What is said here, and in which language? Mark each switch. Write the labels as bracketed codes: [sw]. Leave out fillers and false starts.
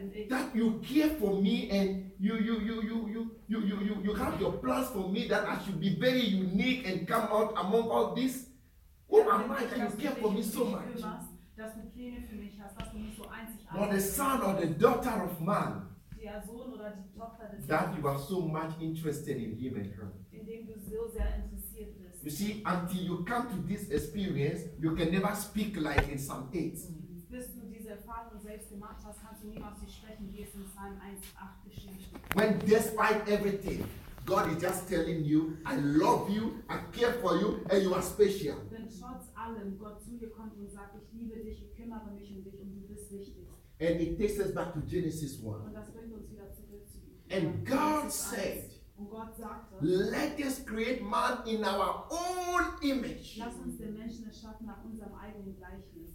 [en] That you care for me and you have your plans for me that I should be very unique and come out among all this. Who am I that you care for me so much? [de] Dass du Pläne für mich hast, dass du mich so einzigartig hast. [en] Or the son or the daughter of man. [de] Der Sohn oder die Tochter des Mannes. [en] That you are so much interested in him and her. [de] In dem du so sehr interessiert bist. [en] You see, until you come to this experience, you can never speak like in Psalm 8. [de] Bis du diese Erfahrung selbst gemacht hast, kannst du niemals dich sprechen, wie es in Psalm 1:8 geschrieben. [en] When despite everything, God is just telling you, I love you, I care for you, and you are special. [de] Wenn trotz allem Gott zu dir kommt und sagt, ich liebe dich, ich kümmere mich um dich und du bist wichtig. [en] And it takes us back to Genesis 1. [de] Und das bringt uns wieder zurück zu ihm. [en] And God said, [de] und Gott sagte, [en] let us create man in our own image. [de] Lass uns den Menschen erschaffen nach unserem eigenen Gleichnis.